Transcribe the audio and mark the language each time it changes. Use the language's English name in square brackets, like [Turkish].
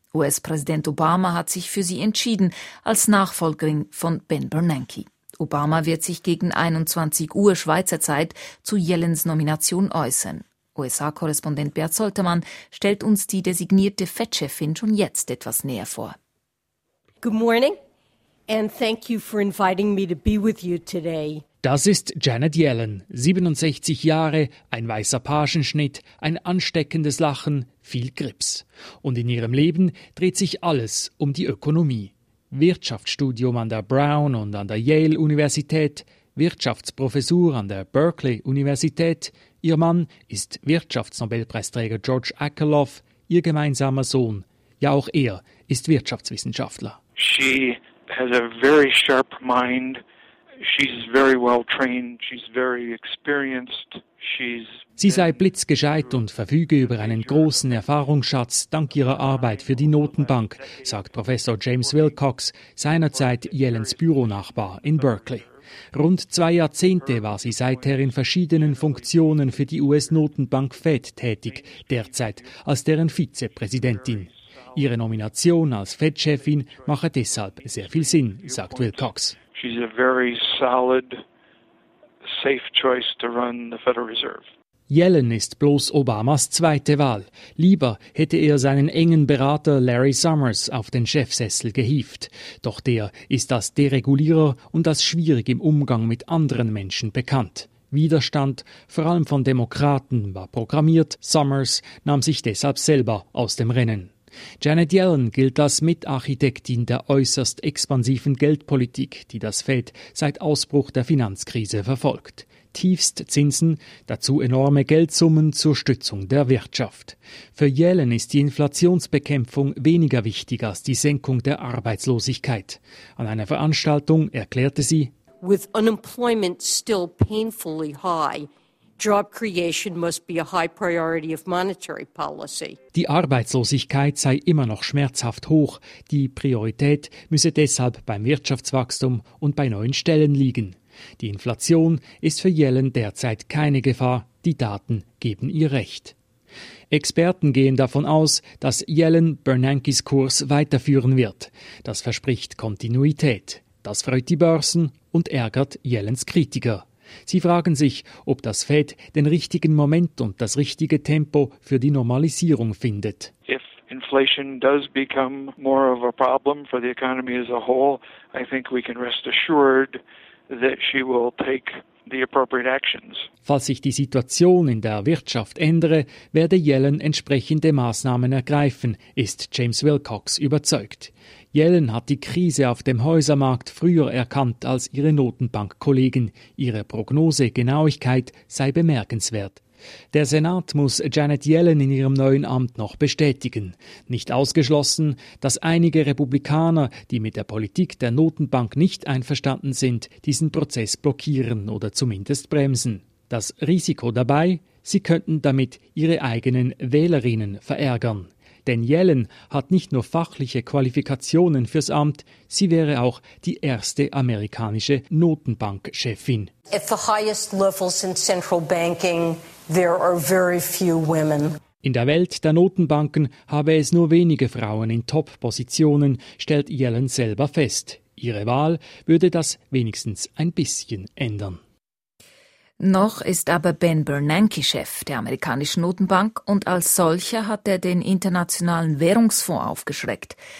[German] US-Präsident Obama hat sich für sie entschieden, als Nachfolgerin von Ben Bernanke. Obama wird sich gegen 21 Uhr Schweizer Zeit zu Yellens Nomination äußern. USA-Korrespondent Bert Soltermann stellt uns die designierte FED-Chefin schon jetzt etwas näher vor. [English] Good morning and thank you for inviting me to be with you today. [German] Das ist Janet Yellen, 67 Jahre, ein weißer Pagenschnitt, ein ansteckendes Lachen, viel Grips. Und in ihrem Leben dreht sich alles um die Ökonomie. Wirtschaftsstudium an der Brown und an der Yale-Universität, Wirtschaftsprofessur an der Berkeley-Universität. Ihr Mann ist Wirtschaftsnobelpreisträger George Akerlof, ihr gemeinsamer Sohn. Ja, auch er ist Wirtschaftswissenschaftler. [English] She has a very sharp mind. She's very well trained. She's very experienced. [German] Sie sei blitzgescheit und verfüge über einen großen Erfahrungsschatz dank ihrer Arbeit für die Notenbank, sagt Professor James Wilcox, seinerzeit Yellens Büronachbar in Berkeley. Rund zwei Jahrzehnte war sie seither in verschiedenen Funktionen für die US-Notenbank FED tätig, derzeit als deren Vizepräsidentin. Ihre Nomination als FED-Chefin mache deshalb sehr viel Sinn, sagt Wilcox. [English] She's a very solid, safe choice to run the Federal Reserve. [German] Yellen ist bloß Obamas zweite Wahl. Lieber hätte er seinen engen Berater Larry Summers auf den Chefsessel gehievt. Doch der ist als Deregulierer und als schwierig im Umgang mit anderen Menschen bekannt. Widerstand, vor allem von Demokraten, war programmiert. Summers nahm sich deshalb selber aus dem Rennen. Janet Yellen gilt als Mitarchitektin der äußerst expansiven Geldpolitik, die das Fed seit Ausbruch der Finanzkrise verfolgt. Tiefstzinsen, dazu enorme Geldsummen zur Stützung der Wirtschaft. Für Yellen ist die Inflationsbekämpfung weniger wichtig als die Senkung der Arbeitslosigkeit. An einer Veranstaltung erklärte sie: [English] With unemployment still painfully high, job creation must be a high priority of monetary policy. [German] Die Arbeitslosigkeit sei immer noch schmerzhaft hoch. Die Priorität müsse deshalb beim Wirtschaftswachstum und bei neuen Stellen liegen. Die Inflation ist für Yellen derzeit keine Gefahr, die Daten geben ihr Recht. Experten gehen davon aus, dass Yellen Bernankes Kurs weiterführen wird. Das verspricht Kontinuität. Das freut die Börsen und ärgert Yellens Kritiker. Sie fragen sich, ob das Fed den richtigen Moment und das richtige Tempo für die Normalisierung findet. [English] If inflation does become more of a problem for the economy as a whole, I think we can rest assured that she will take the appropriate actions. [German] Falls sich die Situation in der Wirtschaft ändere, werde Yellen entsprechende Maßnahmen ergreifen, ist James Wilcox überzeugt. Yellen hat die Krise auf dem Häusermarkt früher erkannt als ihre Notenbankkollegen. Ihre Prognosegenauigkeit sei bemerkenswert. Der Senat muss Janet Yellen in ihrem neuen Amt noch bestätigen. Nicht ausgeschlossen, dass einige Republikaner, die mit der Politik der Notenbank nicht einverstanden sind, diesen Prozess blockieren oder zumindest bremsen. Das Risiko dabei? Sie könnten damit ihre eigenen Wählerinnen verärgern. Denn Yellen hat nicht nur fachliche Qualifikationen fürs Amt, sie wäre auch die erste amerikanische Notenbankchefin. [English] At the highest levels in central banking, there are very few women. [German] In der Welt der Notenbanken habe es nur wenige Frauen in Top-Positionen, stellt Yellen selber fest. Ihre Wahl würde das wenigstens ein bisschen ändern. Noch ist aber Ben Bernanke Chef der amerikanischen Notenbank und als solcher hat er den Internationalen Währungsfonds aufgeschreckt.